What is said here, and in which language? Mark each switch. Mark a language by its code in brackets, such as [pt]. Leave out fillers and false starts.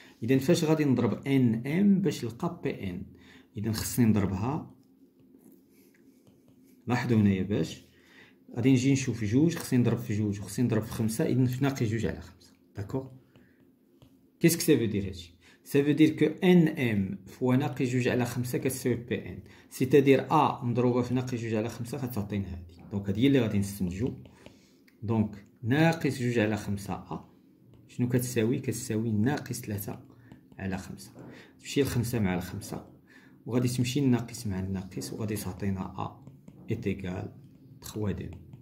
[ar] اذا فاش غادي نضرب ان ام باش نلقى بي ان؟ اذا خصني نضربها، لاحظوا هنايا باش غادي نجي نشوف جوج، خصني نضرب في جوج وخصني نضرب في خمسة، اذا في ناقص جوج على خمسة. داكوغ. كيسك سافو دير هادشي؟ [fr] Ça veut dire que nm fois [ar] ناقص جوج على خمسة كتساوي [fr] bn. C'est-à-dire [ar] a مضروبة في ناقص جوج على خمسة غتعطينا هذه. دونك هذه هي اللي غادي نستنتجو. دونك ناقص جوج على خمسة a شنو كتساوي؟ كتساوي ناقص ثلاثة على خمسة. تمشي الخمسة مع الخمسة وغادي تمشي الناقص مع الناقص وغادي تعطينا [fr] a est égal 3dm.